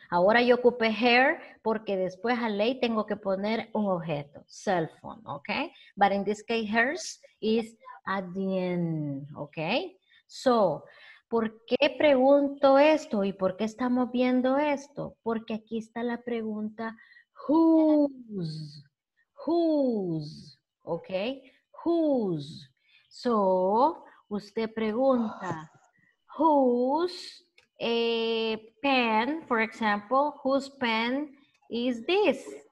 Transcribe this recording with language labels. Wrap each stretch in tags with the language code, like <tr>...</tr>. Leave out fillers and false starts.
<es>Ahora yo ocupé her porque después a ley tengo que poner un objeto.</es> <en>Cell phone, okay? But in this case, hers is at the end, okay? So,</en> <es>¿por qué pregunto esto y por qué estamos viendo esto? Porque aquí está la pregunta, whose, okay? Whose.</es> <en>So,</en> <es>usted pregunta,</es> <en>whose pen, for example, whose pen is this?</en>